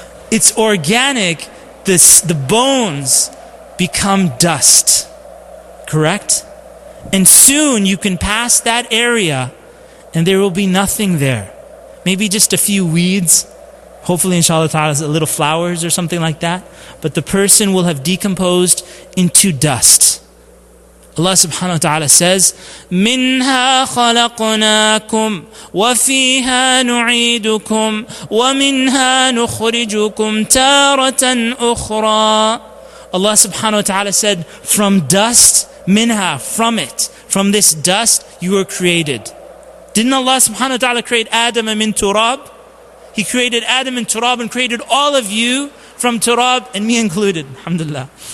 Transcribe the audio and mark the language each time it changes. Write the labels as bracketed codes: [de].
[en] It's organic. The bones become dust. Correct? And soon you can pass that area and there will be nothing there. Maybe just a few weeds. Hopefully, inshallah ta'ala, a little flowers or something like that. But the person will have decomposed into dust. Allah subhanahu wa ta'ala says, [ar] مِنْهَا خَلَقْنَاكُمْ وَفِيهَا نُعِيدُكُمْ وَمِنْهَا نُخْرِجُكُمْ تَارَةً أُخْرَى. [en] Allah subhanahu wa ta'ala said, from dust, [ar] مِنْهَا, [en] from it, from this dust, you were created. Didn't Allah subhanahu wa ta'ala create Adam and min turab? He created Adam and turab and created all of you from turab, and me included, alhamdulillah.